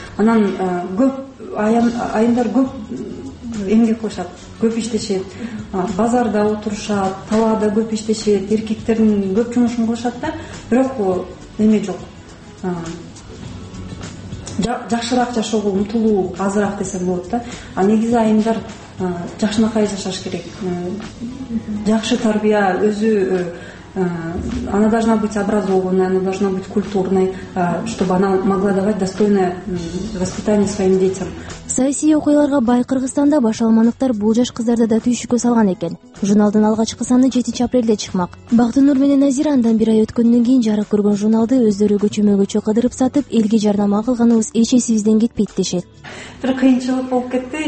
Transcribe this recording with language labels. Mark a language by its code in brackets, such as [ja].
[ky] Анан көп айымдар көп эмгек кылышат, көп иштешет, базарда отурушат, талаада көп иштешет, эркектердин көп жумушун кылышат да, бирок эме жок, жакшыраак жашоого умтулуу азыраак десем болот да. А негизи айымдар жакшынакай жашаш керек, жакшы тарбия, өзү [ru] она должна быть образованной, она должна быть культурной, чтобы она могла давать достойное воспитание своим детям. [ky] Саясий окуяларга бай Кыргызстанда башалмандыктар бул жаш кыздарды да түйшүккө салган экен. Журналдын алгачкы саны 7 апрелде чыкмак. Бактынур менен Назира андан бир ай өткөндөн кийин жарык көргөн журналды өздөрү көчөмө-көчө кыдырып сатып, элге жарнама кылганыбыз эч эсибизден кетпейт дешет. Бир кыйынчылык болуп кетти.